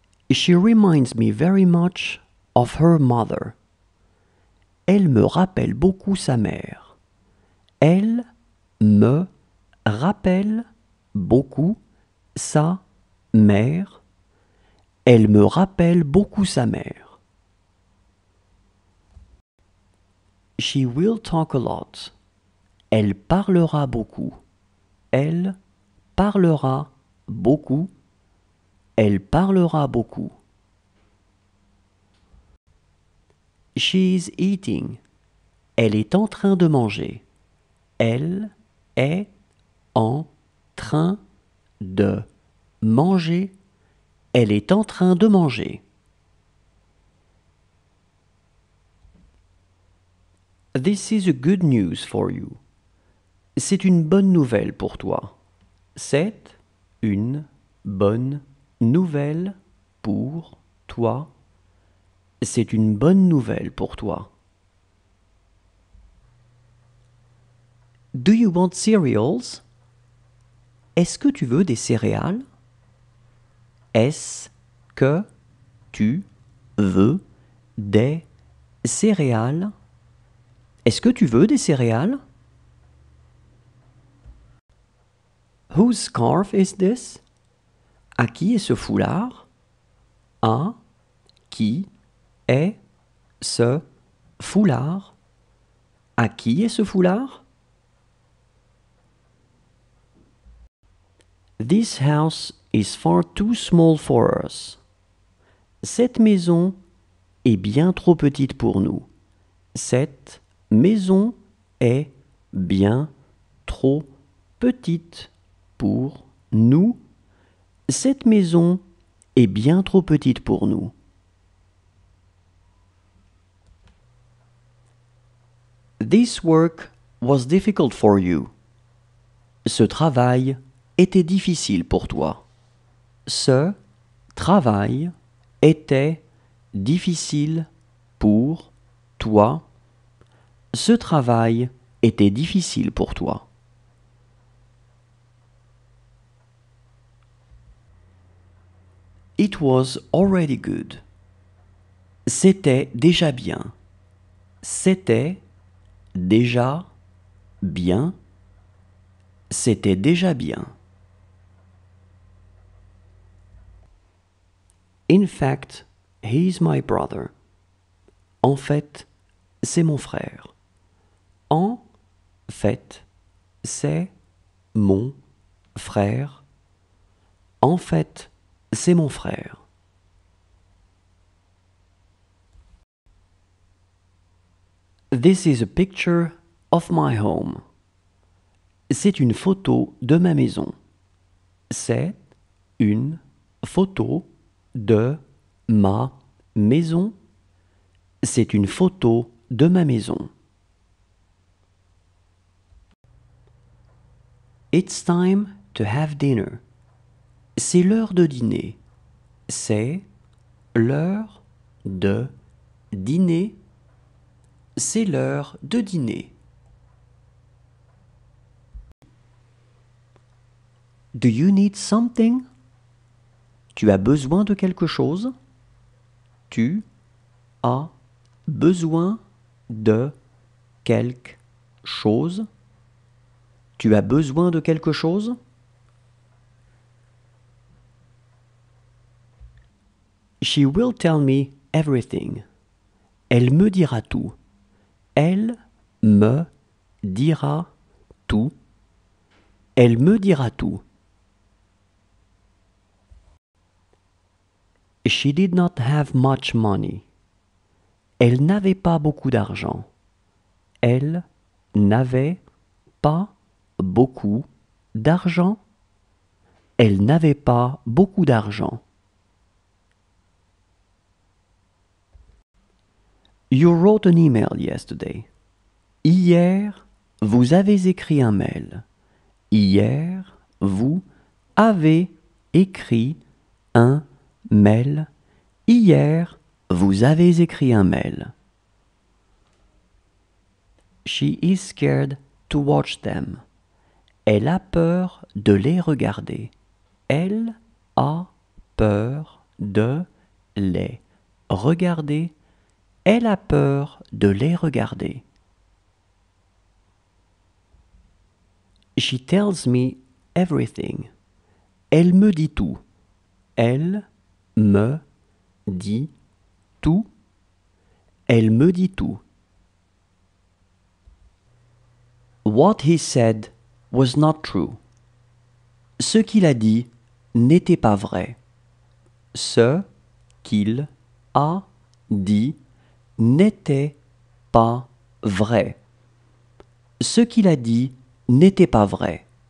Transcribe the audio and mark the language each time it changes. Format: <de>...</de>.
<en>She reminds me very much of her mother.</en> <fr>Elle me rappelle beaucoup sa mère. Elle me rappelle beaucoup sa mère. Elle me rappelle beaucoup sa mère.</fr> <en>She will talk a lot.</en> <fr>Elle parlera beaucoup. Elle parlera beaucoup. Elle parlera beaucoup.</fr> <en>She is eating.</en> <fr>Elle est en train de manger. Elle est en train de manger. Elle est en train de manger.</fr> <en>This is a good news for you.</en> <fr>C'est une bonne nouvelle pour toi. C'est une bonne nouvelle pour toi. C'est une bonne nouvelle pour toi.</fr> <en>Do you want cereals?</en> <fr>Est-ce que tu veux des céréales? Est-ce que tu veux des céréales? Est-ce que tu veux des céréales?</fr> <en>Whose scarf is this?</en> <fr>À qui est ce foulard? À qui est ce foulard? À qui est ce foulard?</fr> <en>This house is far too small for us.</en> <fr>Cette maison est bien trop petite pour nous. Cette maison est bien trop petite pour nous. Cette maison est bien trop petite pour nous.</fr> <en>This work was difficult for you.</en> <fr>Ce travail était difficile pour toi. Ce travail était difficile pour toi. Ce travail était difficile pour toi.</fr> <en>It was already good.</en> <fr>C'était déjà bien. C'était déjà bien. C'était déjà bien.</fr> <en>In fact, he's my brother.</en> <fr>En fait, c'est mon frère. En fait, c'est mon frère. En fait, c'est mon frère.</fr> <en>This is a picture of my home.</en> <fr>C'est une photo de ma maison. C'est une photo de ma maison. C'est une photo de ma maison.</fr> <en>It's time to have dinner.</en> <fr>C'est l'heure de dîner. C'est l'heure de dîner. C'est l'heure de dîner.</fr> <en>Do you need something?</en> <fr>Tu as besoin de quelque chose? Tu as besoin de quelque chose? Tu as besoin de quelque chose?</fr> <en>She will tell me everything.</en> <fr>Elle me dira tout. Elle me dira tout. Elle me dira tout.</fr> <en>She did not have much money.</en> <fr>Elle n'avait pas beaucoup d'argent. Elle n'avait pas beaucoup d'argent. Elle n'avait pas beaucoup d'argent.</fr> <en>You wrote an email yesterday.</en> <fr>Hier, vous avez écrit un mail. Hier, vous avez écrit un mail. Hier, vous avez écrit un mail.</fr> <en>She is scared to watch them.</en> <fr>Elle a peur de les regarder. Elle a peur de les regarder. Elle a peur de les regarder.</fr> <en>She tells me everything.</en> <fr>Elle me dit tout. Elle me dit tout. Elle me dit tout.</fr> <en>What he said was not true.</en> <fr>Ce qu'il a dit n'était pas vrai. Ce qu'il a dit n'était pas vrai. Ce qu'il a dit n'était pas vrai.</fr>